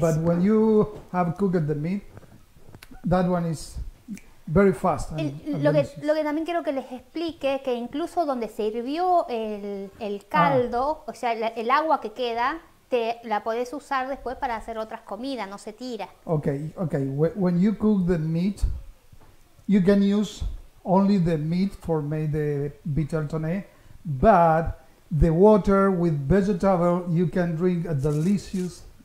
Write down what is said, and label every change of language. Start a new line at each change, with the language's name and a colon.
English: But when you have cooked the meat, that one is very fast.
Spanish: Lo que también quiero que les explique que incluso donde se hirvió el caldo, o sea, el agua que queda, te la podés usar después para hacer otras comidas, no se tira.
English: Okay. When you cook the meat, you can use only the meat for make the bitter tonne, but the water with vegetable, you can drink a delicious